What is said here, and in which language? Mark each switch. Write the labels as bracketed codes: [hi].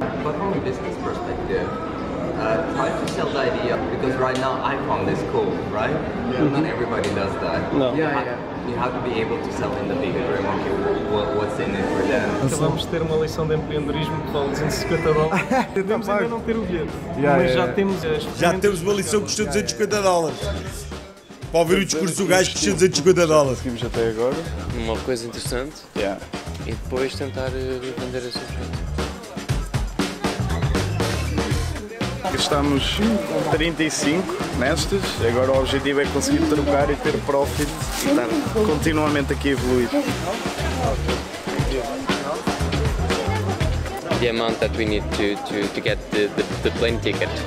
[en] But from a business perspective, try to sell the idea because right now I found this cool, right? Yeah. Not everybody does that. No. Yeah. You have to be able to sell in the bigger dream of what's in it for them. [pt] Acabamos de ter uma lição de empreendedorismo que vale 250 dólares. Temos ainda não ter o bilhete. Já temos uma lição que custou 250 dólares. Para ouvir o discurso do gajo que custou 250 dólares. Conseguimos até agora. Uma coisa interessante. [en] Yeah. [pt] e depois tentar vender esse objeto. Estamos 35 nestas, agora o objetivo é conseguir trocar e ter profit e estar continuamente aqui a evoluir. [en] The amount that we need to get the plane ticket.